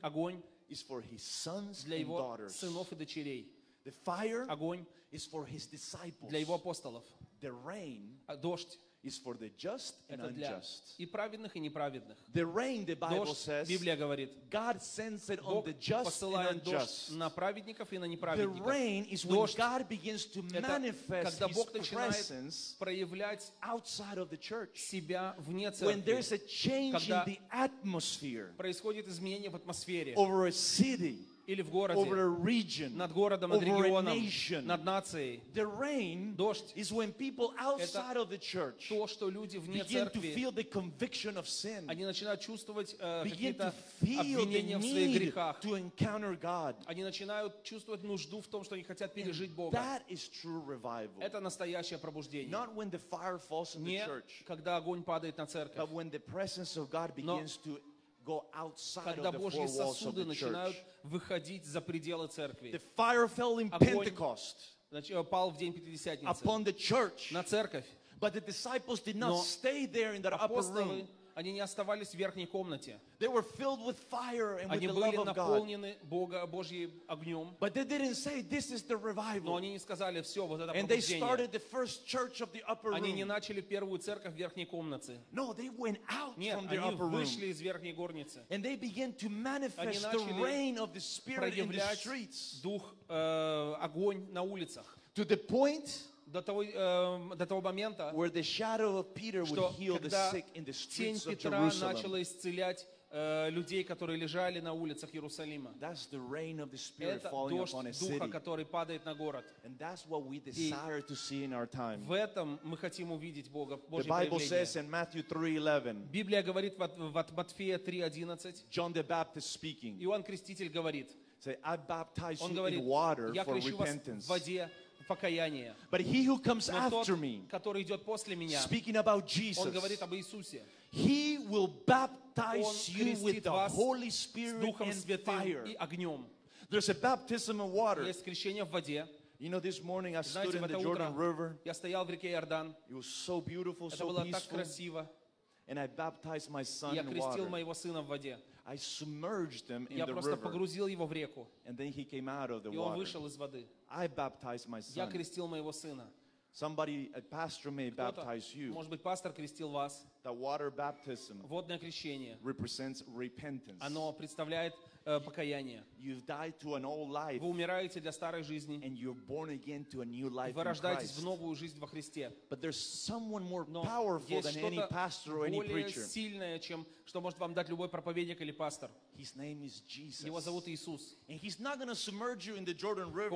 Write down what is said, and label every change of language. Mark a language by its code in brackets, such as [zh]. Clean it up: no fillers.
[ru] огонь, [en] is for His sons [ru] для его [en] and daughters, [ru] сынов и дочерей. [en] The fire, [ru] огонь, [en] is for His disciples, [ru] для его апостолов. [en] The rain, [ru] дождь. [en] Is for the just and unjust. [ru] И праведных, и неправедных. [en] The rain, the Bible [ru] дождь, [en] says, [ru] Библия говорит, [en] God sends it on the just and unjust. [ru] На праведников и на неправедников. [en] The rain is [ru] дождь, [en] when God begins to manifest [ru] когда Бог [en] His presence [ru] проявлять [en] outside of the church. [ru] Себя вне церкви. [en] When there's a change in the atmosphere. [ru] Происходит изменение в атмосфере. [en] Over a city. [ru] Или в городе, [en] over a region, [ru] над городом, [en] over [ru] над регионом, [en] a nation, [ru] над нацией. [en] The rain [ru] дождь, [en] is when people outside of the church [ru] то, что люди вне [en] begin [ru] церкви, [en] to feel the conviction of sin, [ru] они начинают чувствовать, [en] begin to feel the need to encounter God. [ru] Они начинают чувствовать нужду в том, что они хотят пережить Бога. [en] That is true revival. [ru] Это настоящее пробуждение. [en] Not when the fire falls in the church, [ru] когда огонь падает на церковь, [en] but when the presence of God begins to go outside [ru] когда [en] of the four walls of the church. [ru] Выходить за пределы церкви. [en] The fire fell in Pentecost. [ru] Пал в день Пятидесятницы. [en] Upon the church. [ru] На церковь. [en] But the disciples did not stay there in that upper room. [ru] Они не оставались в верхней комнате. [en] They were filled with fire and [ru] они [en] with the love of God. [ru] Они были наполнены Божьим огнем. [en] But they didn't say this is the revival. [ru] Но они не сказали все вот это [en] and [ru] пробуждение. [en] And they started the first church of the upper room. [ru] Они не начали первую церковь в верхней комнате. [en] No, they went out [ru] нет, [en] from the upper room. [ru] Нет, они вышли из верхней горницы. [en] And they began to manifest the rain of the Spirit in the streets. [ru] Дух огонь на улицах. [en] To the point. [ru] До того момента, [en] where the shadow of Peter would heal the sick in the streets of Jerusalem. [ru] Начала исцелять людей, которые лежали на улицах Иерусалима. [en] That's the rain of the Spirit falling upon a city. [ru] Духа, который падает на город. [en] And that's what we desire to see in our time. [ru] В этом мы хотим увидеть Бога, Божье проявление. [en] The Bible says in Matthew 3:11. [ru] Библия говорит в Матфея 3:11. [en] John the Baptist speaking. [ru] Иоанн Креститель говорит. [en] Say, I baptize you in water for repentance. [ru] В воде. [en] But he who comes after me, [ru] который идет после меня, [en] speaking about Jesus, [ru] он говорит об Иисусе, [en] he will baptize you with the Holy Spirit and fire. [ru] И огнем. [en] There's a baptism of water. [ru] Есть крещение в воде. [en] You know, this morning I [ru] знаете, [en] stood in the Jordan River. [ru] Я стоял в реке Иордан. [en] It was so beautiful, [ru] это [en] so [ru] было [en] peaceful. [ru] Так красиво. [en] And I baptized my son in water. [ru] Я крестил моего сына в воде. [en] I submerged him in [ru] я Я просто погрузил его в реку. [en] And then he came out of the water. [ru] И он вышел из воды. [en] I baptized my son. [ru] Я крестил моего сына. [en] Somebody, a pastor may baptize you. [ru] Может быть, пастор крестил вас. [en] The water baptism. [ru] Водное крещение. [en] Represents repentance. [ru] Оно представляет покаяние. [en] You've died to an old life. [ru] Вы умираете для старой жизни. [en] And you're born again to a new life. [ru] Вы рождаетесь в новую жизнь во Христе. [en] But there's someone more powerful than any pastor or any preacher. [ru] Более сильное, чем что может вам дать любой проповедник или пастор. [en] His name is Jesus. [ru] Его зовут Иисус. [en] And he's not going to submerge you in the Jordan River.